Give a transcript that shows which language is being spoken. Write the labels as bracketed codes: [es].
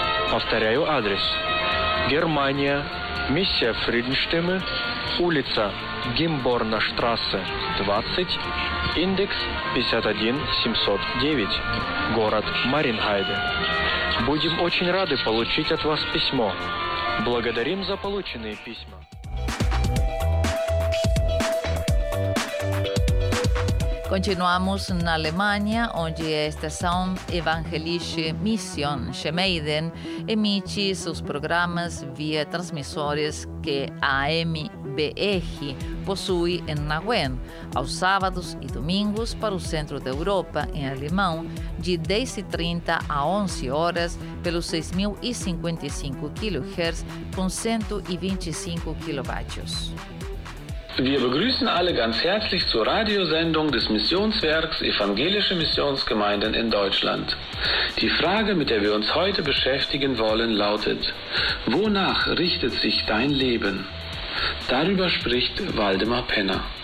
[ru] Повторяю адрес: Германия, миссия Фридштима, улица Гимборна-штрассе 20, индекс 51709, город Маринхайде. Будем очень рады получить от вас письмо. Благодарим за полученные письма. [pt] Continuamos na Alemanha, onde a estação Evangelische Mission Schmeiden emite seus programas via transmissores que a MBR possui em Nauen, aos sábados e domingos para o centro da Europa, em alemão, de 10h30 a 11 horas pelo 6.055 kHz com 125 kW. [de] Wir begrüßen alle ganz herzlich zur Radiosendung des Missionswerks Evangelische Missionsgemeinden in Deutschland. Die Frage, mit der wir uns heute beschäftigen wollen, lautet: Wonach richtet sich dein Leben? Darüber spricht Waldemar Penner.